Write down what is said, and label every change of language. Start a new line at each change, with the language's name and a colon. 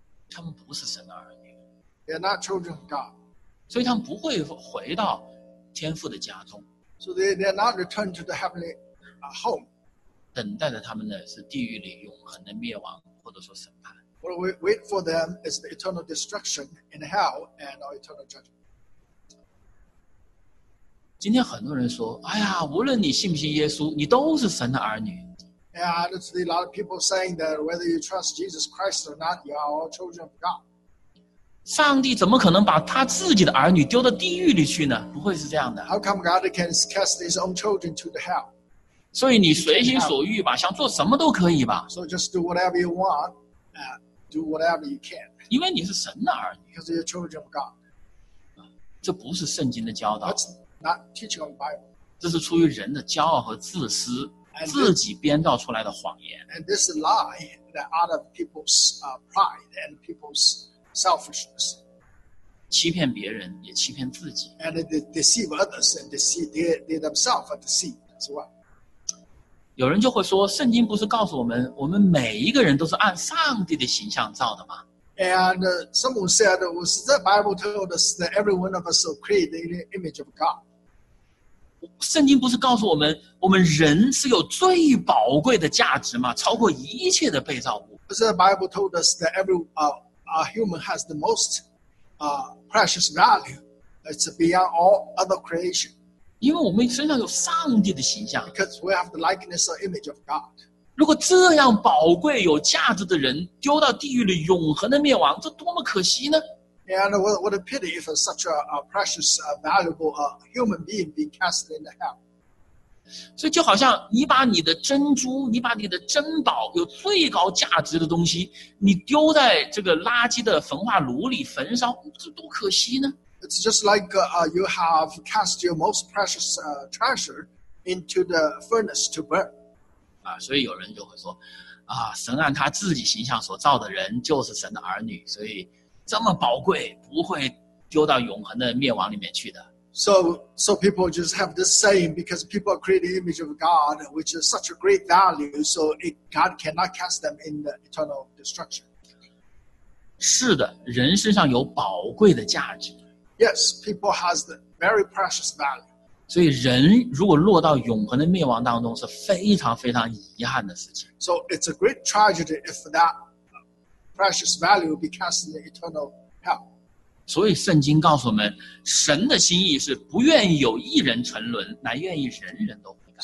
Chinese: 他们不是神的儿女。
English: They are not children of God.
Chinese: 所以他们不会回到天父的家中。
English: So they are not returned to the heavenly home.
Chinese: 等待着他们的是地狱里永恒的灭亡或者说审判。
English: What we wait for them is the eternal destruction in hell and our eternal judgment.
Chinese: 今天很多人说，哎呀，无论你信不信耶稣，你都是神的儿女。
English: Yeah, there's a lot of people saying that whether you trust Jesus Christ or not, you are all children of God.
Chinese: 上帝怎么可能把他自己的儿女丢到地狱里去呢？不会是这样的。
English: How come God can cast his own children to the hell?
Chinese: 所以你随心所欲吧，想做什么都可以吧。
English: So just do whatever you want, do whatever you can.
Chinese: 因为你是神的儿女。
English: Because you're children of God.
Chinese: 这不是圣经的教导。
English: Not teaching on Bible.
Chinese: 这是出于人的骄傲和自私
English: and,
Chinese: 自己编造出来的谎言
English: and this lie that out of people's pride and people's selfishness
Chinese: 欺骗别人，也欺骗自己。
English: And they deceive others and deceive themselves are deceived as well.
Chinese: 有人就会说，圣经不是告诉我们，我们每一个人都是按上帝的形象造的吗？
English: And someone said, was the Bible told us that every one of us are created in the image of God?
Chinese: 圣经不是告诉我们，我们人是有最宝贵的价值吗？超过一切的被造物。
English: Was the Bible told us that every human has the most precious value? It's beyond all other creation.
Chinese: 因为我们身上有上帝的形象。
English: Because we have the likeness or image of God.
Chinese: 如果这样宝贵有价值的人丢到地狱里永恒的灭亡，这多么可惜呢？
English: And what a pity if such a precious, valuable human being be cast in the hell.
Chinese: 所以就好像你把你的珍珠，你把你的珍宝，有最高价值的东西，你丢在这个垃圾的焚化炉里焚烧，这多可惜呢？
English: It's just like you have cast your most precious treasure into the furnace to burn.
Chinese: 所以有人就会说，神按他自己形象所造的人就是神的儿女，所以这么宝贵，不会丢到永恒的灭亡里面去的。
English: So people just have this saying, because people are created in the image of God, which is such a great value, so God cannot cast them in the eternal destruction.
Chinese: 是的，人身上有宝贵的价值。
English: Yes, people has the very precious value.
Chinese: 所以人如果落到永恒的灭亡当中，是非常非常遗憾的事情。
English: So it's a great tragedy if that precious value be cast in the eternal hell.
Chinese: 所以圣经告诉我们，神的心意是不愿意有一人沉沦，乃愿意人人都悔改。